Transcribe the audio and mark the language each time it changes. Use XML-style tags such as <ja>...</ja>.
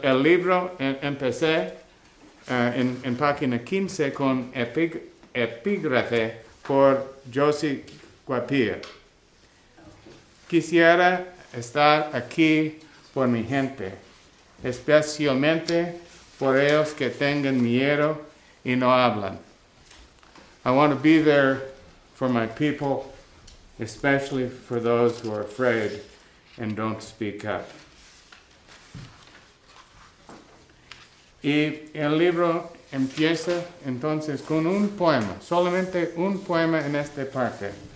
<es>El libro empecé en página 15 con epígrafe por Josy Guapía. Quisiera estar aquí por mi gente, especialmente por ellos que tengan miedo y no hablan.</es> <en>I want to be there for my people, especially for those who are afraid and don't speak up.</en> <es>Y el libro empieza entonces con un poema, solamente un poema en esta parte.</es>